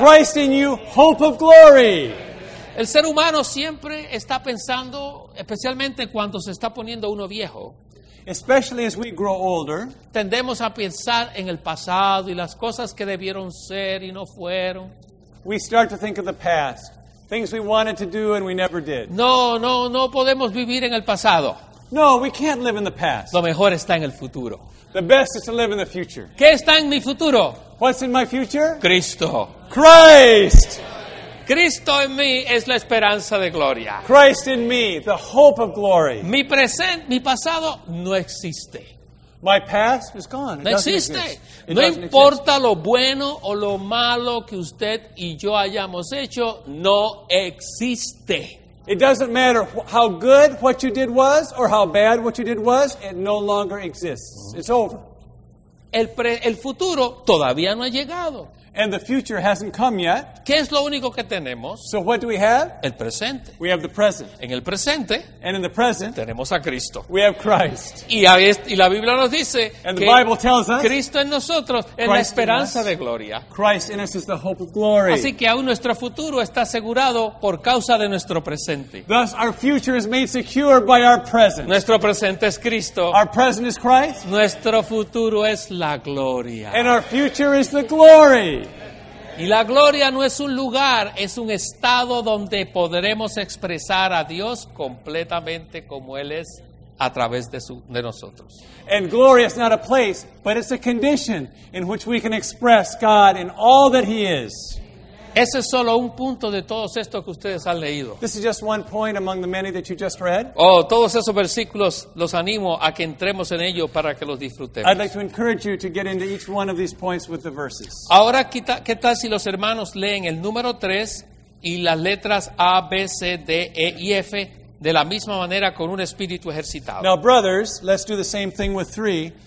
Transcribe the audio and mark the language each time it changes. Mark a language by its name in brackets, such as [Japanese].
[English] Christ in you, hope of glory. [Spanish] El ser humano siempre está pensando, especialmente cuando se está poniendo uno viejo. [English] Especially as we grow older, [Spanish] tendemos a pensar en el pasado y las cosas que debieron ser y no fueron. [English] We start to think of the past, things we wanted to do and we never did. [Spanish] No podemos vivir en el pasado. [English] No, we can't live in the past. [Spanish] Lo mejor está en el futuro. [English] The best is to live in the future. [Spanish] ¿Qué está en mi futuro? [English] What's in my future? [Spanish] Cristo. [English] Christ. [Spanish] Cristo en mí es la esperanza de gloria. [English] Christ in me, the hope of glory. [Spanish] Mi presente, mi pasado no existe. [English] My past is gone. [Spanish] No existe. No importa lo bueno o lo malo que usted y yo hayamos hecho, no existe. [English] It doesn't matter how good what you did was or how bad what you did was, it no longer exists. It's over. [Spanish] El futuro todavía no ha llegado. [English] And the future hasn't come yet. [Spanish] ¿Qué es lo único que tenemos? [English] So what do we have? [Spanish] El presente. [English] We have the present. [Spanish] En el presente. [English] And in the present. [Spanish] Tenemos a Cristo. [English] We have Christ. [Spanish] Y la Biblia nos dice [English] and the Bible tells us [Spanish] Cristo en nosotros es la esperanza de gloria. [English] Christ in us is the hope of glory. [Spanish] Así que aún nuestro futuro está asegurado por causa de nuestro presente. [English] Thus our future is made secure by our present. [Spanish] Nuestro presente es Cristo. [English] Our present is Christ. [Spanish] Nuestro futuro es la gloria. [English] And our future is the glory. [Spanish] Y la gloria no es un lugar, es un estado donde podremos expresar a Dios completamente como Él es a través de nosotros. [English] And glory is not a place, but it's a condition in which we can express God in all that He is. [Spanish] Ese es solo un punto de todos estos que ustedes han leído. [English] This is just one point among the many that you just read. [Spanish] Oh, todos esos versículos los animo a que entremos en ellos para que los disfrutemos. [English] I'd like to encourage you to get into each one of these points with the verses. [Spanish] Ahora, ¿qué tal si los hermanos leen el número 3 y las letras A, B, C, D, E y F de la misma manera con un espíritu ejercitado? [English] Now, brothers, let's do the same thing with 3.